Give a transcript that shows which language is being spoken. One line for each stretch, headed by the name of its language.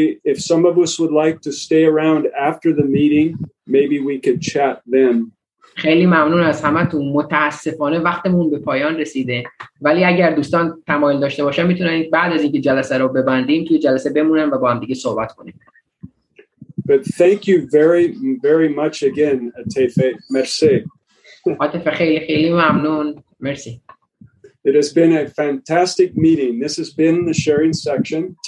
English: If some of us would like to stay around after the meeting, maybe we could chat then.
Persian: خیلی ممنون از همتون. متاسفانه وقتمون به پایان رسیده. ولی اگر دوستان تمایل داشته باشن میتونن بعد از اینکه جلسه رو ببندیم توی جلسه بمونن و با هم دیگه صحبت کنیم.
English: But thank you very very much again, Atehe.
Persian: Merci. Atehe, خیلی خیلی ممنون. مرسی.
English: It has been a fantastic meeting. This has been the sharing section.